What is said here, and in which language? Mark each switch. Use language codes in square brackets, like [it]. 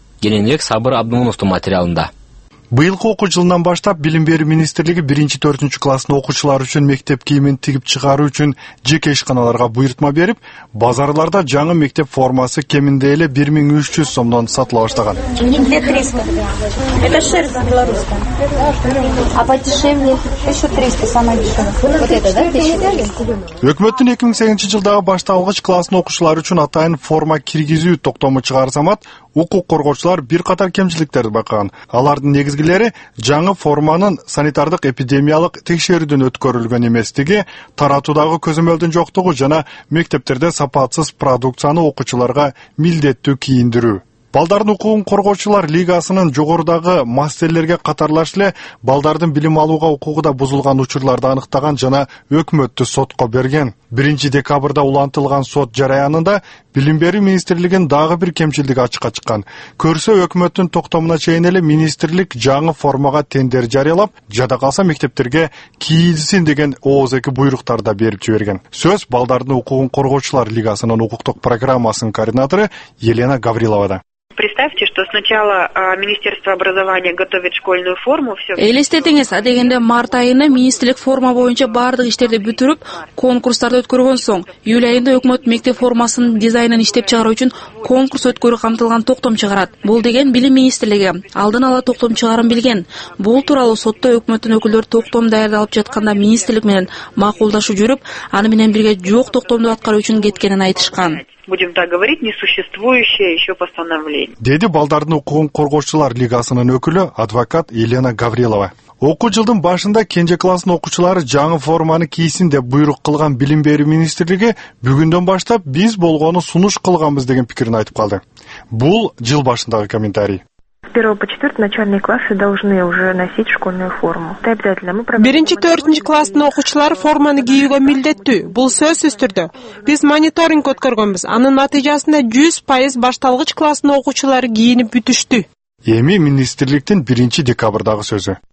[ky] Кененирээк Сабыр Абдымуновдун материалында. Быйылкы окуу жылынан баштап Билим берүү министрлиги 1-4 класстын окуучулары үчүн мектеп кийимин тигип чыгаруу үчүн жеке ишканаларга буйрутма берип, базарларда жаңы мектеп формасы кеминде эле 1300 сомдон сатыла баштаган. [ru] Это шерсть белорусская. А подешевле еще 300 самое дешевое. Вот это, да, 1400. [ky] Өкмөттүн 2008 жылдагы башталгыч класстын окуучулары үчүн атайын форма киргизүү токтому чыгарсамат, укук коргоочулар бир катар кемчиликтерди байкаган. Алардын негизгилери жаңы форманын санитардык эпидемиялык текшерүүдөн өткөрүлгөн эместиги, таратуудагы көзөмөлдүн жоктугу жана мектептерде сапатсыз продукцияны окуучуларга милдеттүү кийиндирүү. Балдардын укугун коргоочулар лигасынын жогорудагы мастерлерге катарлаш эле балдардын билим алууга укугу да бузулган учурларды аныктаган жана өкмөттү сотко берген. 1 декабрда улантылган сот жараянында Билим берүү министрлигинин дагы бир кемчилиги ачыкка чыккан. Көрсө өкмөттүн токтомуна чейин эле министрлик жаңы формага тендер жарыялап, жада калса мектептерге кийилсин деген ооз эки буйруктар да берип жиберген. Сөз балдардын укугун коргоочулар лигасынын укуктук программасынын координатору Елена Гавриловада. [ru] Представьте, что сначала Министерство образования готовит школьную форму, всё. [ky] Элестетиңиз, адегенде март айында министрлик форма боюнча баардык иштерди бүтүрүп, конкурстарды өткөргөн соң, июль айында өкмөт мектеп формасынын дизайнын иштеп чыгаруу үчүн конкурс өткөрүү камтылган токтом чыгарат. Бул деген Билим министрлиги алдын ала токтом чыгарын билген. Бул тууралуу сотто өкмөттүн өкүлдөрү токтом даярдалып жатканда министрлик менен макулдашуу жүрүп, аны менен бирге жок токтомду аткаруу үчүн кеткенин айтышкан. [ru] Будем так говорить, несуществующее еще постановление. [ky] Деди балдардын укугун коргоочулар лигасынын өкүлү адвокат Елена Гаврилова. Окуу жылдын башында кенже класстын окуучулары жаңы форманы кийсин деп буйрук кылган Билим берүү министрлиги бүгүндөн баштап биз болгону сунуш кылганбыз деген пикирин айтып калды. Бул жыл башындагы комментарий. [ru] 1-4 начальные классы должны уже носить школьную форму. Это обязательно. Мы проводим. [ky] 1-4 класстын окуучулар форманы кийүүгө милдеттүү. Бул сөзсүз түрдө. Биз мониторинг өткөргөнбүз. Анын натыйжасында 100% башталгыч класстын окуучулары кийинип бүтүштү. Эми министрликтин 1 декабрдагы сөзү.